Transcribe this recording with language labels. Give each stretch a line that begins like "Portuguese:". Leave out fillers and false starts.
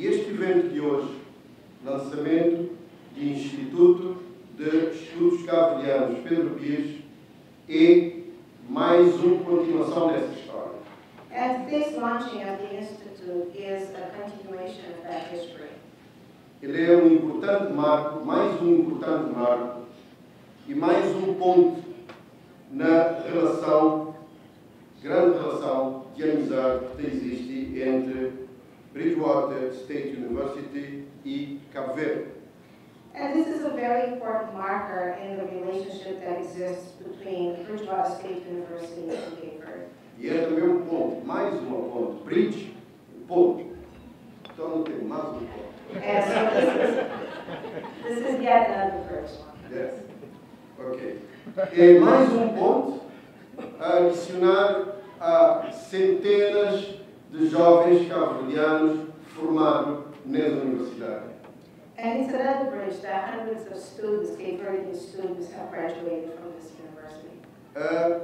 Portuguese: evento de hoje, lançamento de Instituto de Estudos Cabo-Verdianos Pedro Pires, é mais uma continuação dessa história.
English: And this launching of the Institute is a continuation of that history.
Portuguese: Ele é um importante marco, mais um importante marco, e mais um ponto na relação, grande relação de amizade que existe entre Bridgewater State University e Cabo Verde.
English: And this is a very important marker in the relationship that exists between Bridgewater State University and Cape Verde.
Portuguese: E é também um ponto, mais um ponto, bridge, ponto. Então não tem mais um ponto.
English: And so this is yet another bridge. Yes. Okay.
Portuguese: É mais um ponto a adicionar a centenas de jovens cabo-verdianos formados nessa universidade.
English: And it's another bridge that hundreds of students, Cape Verdean students, have graduated from this university.